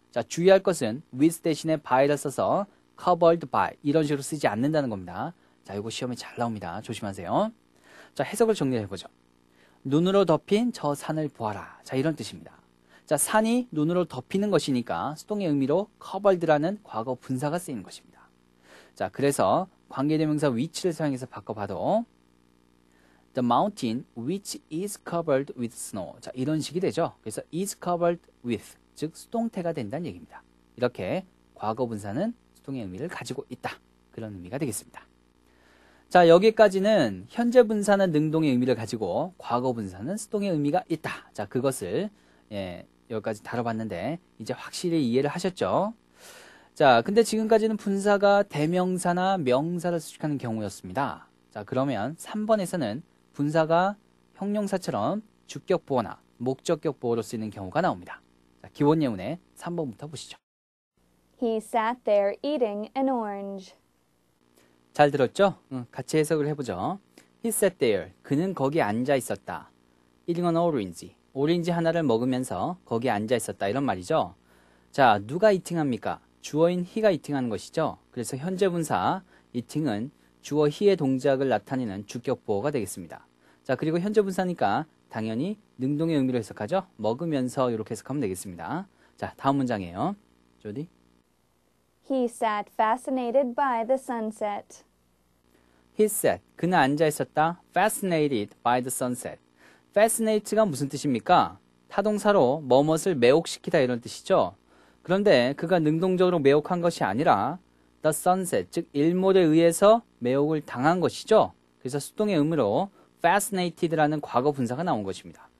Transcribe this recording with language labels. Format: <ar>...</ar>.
<ko>자, 주의할 것은 with 대신에 by를 써서 covered by 이런 식으로 쓰지 않는다는 겁니다. 자, 이거 시험에 잘 나옵니다. 조심하세요. 자, 해석을 정리해보죠. 눈으로 덮인 저 산을 보아라. 자, 이런 뜻입니다. 자, 산이 눈으로 덮이는 것이니까 수동의 의미로 covered라는 과거 분사가 쓰이는 것입니다. 자, 그래서 관계대명사 which를 사용해서 바꿔봐도</ko> <en>The mountain which is covered with snow.</en> <ko>자, 이런 식이 되죠. 그래서 is covered with, 즉 수동태가 된다는 얘기입니다. 이렇게 과거분사는 수동의 의미를 가지고 있다. 그런 의미가 되겠습니다. 자, 여기까지는 현재분사는 능동의 의미를 가지고 과거분사는 수동의 의미가 있다. 자, 그것을 예, 여기까지 다뤄봤는데 이제 확실히 이해를 하셨죠? 자, 근데 지금까지는 분사가 대명사나 명사를 수식하는 경우였습니다. 자, 그러면 3번에서는 분사가 형용사처럼 주격보호나 목적격보호로 쓰이는 경우가 나옵니다. 자, 기본 예문의 3번부터 보시죠.</ko> <en>He sat there eating an orange.</en> <ko>잘 들었죠? 같이 해석을 해보죠.</ko> <en>He sat there.</en> <ko>그는 거기 앉아 있었다.</ko> <en>Eating an orange.</en> <ko>오렌지 하나를 먹으면서 거기 앉아 있었다. 이런 말이죠. 자, 누가 eating합니까? 주어인 he가 eating하는 것이죠. 그래서 현재 분사 eating은 주어 he의 동작을 나타내는 주격보호가 되겠습니다. 자, 그리고 현재분사니까 당연히 능동의 의미로 해석하죠. 먹으면서 이렇게 해석하면 되겠습니다. 자, 다음 문장이에요. 조디.</ko> <en>He sat fascinated by the sunset. He sat.</en> <ko>그는 앉아있었다.</ko> <en>Fascinated by the sunset.</en> <ko>Fascinate가 무슨 뜻입니까? 타동사로 뭐뭇을 매혹시키다 이런 뜻이죠. 그런데 그가 능동적으로 매혹한 것이 아니라 The sunset, 즉 일몰에 의해서 매혹을 당한 것이죠. 그래서 수동의 의미로 fascinated라는 과거 분사가 나온 것입니다.</ko>